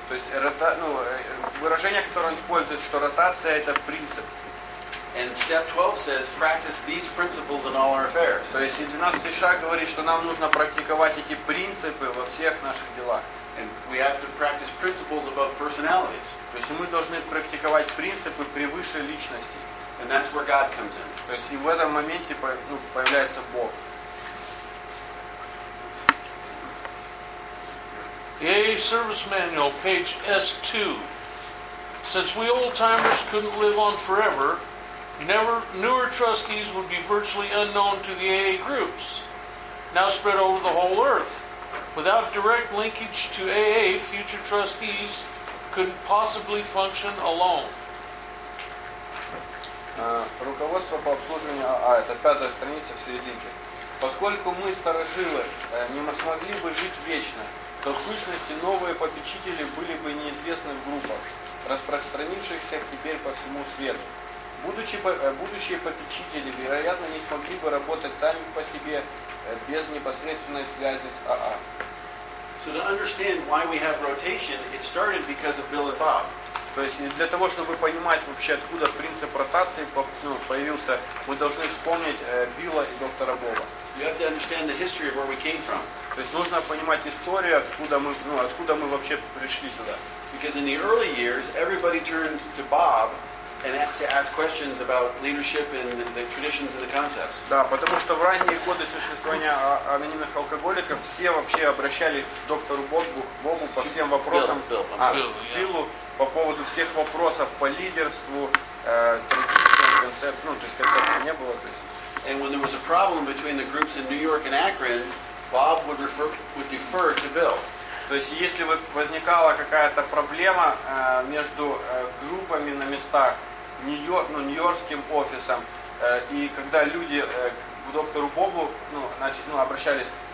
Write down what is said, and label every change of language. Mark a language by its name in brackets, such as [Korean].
[Russian] То есть выражение, которое он использует, что ротация это принцип. [English] And step 12 says practice these principles in all our affairs. [Russian] То есть 12 шаг говорит, что нам нужно практиковать эти принципы во всех наших делах. [English] And we have to practice principles above personalities. [Russian] То есть мы должны практиковать принципы превыше личностей. [English] And that's where God comes in. [Russian] То есть и в этом моменте появляется Бог. [English] AA Service Manual, page S2. Since we old-timers couldn't live on forever, newer trustees would be virtually unknown to the AA groups, now spread over the whole earth. Without direct linkage to AA, future trustees couldn't possibly function alone. [Russian] Руководство по обслуживанию АА, это пятая страница в серединке. Поскольку мы, старожилы, не смогли бы жить вечно, то в сущности новые попечители были бы неизвестны в группах, распространившихся теперь по всему свету. Будущие попечители, вероятно, не смогли бы работать сами по себе без непосредственной связи с АА. [English] So to understand why we have rotation, it started because of Bill and Bob. [Russian] То есть для того, чтобы понимать вообще, откуда принцип ротации появился, мы должны вспомнить Билла и доктора Боба. [English] You have to understand the history of where we came from. [Russian] То есть нужно понимать историю, откуда мы вообще пришли сюда. [English] Because in the early years, everybody turned to Bob and had to ask questions about leadership and the traditions and the concepts. [Russian] Да, потому что в ранние годы существования анонимных алкоголиков все вообще обращались к доктору Бобу по всем вопросам. Биллу. По поводу всех вопросов по лидерству, традициям, концепциям, то есть концепции не было. [English] And when there was a problem between the groups in New York and Akron, Bob would defer to Bill. [Russian] То есть если возникала какая-то проблема между группами на местах, нью-йоркским офисом, и когда люди к доктору Бобу обращались,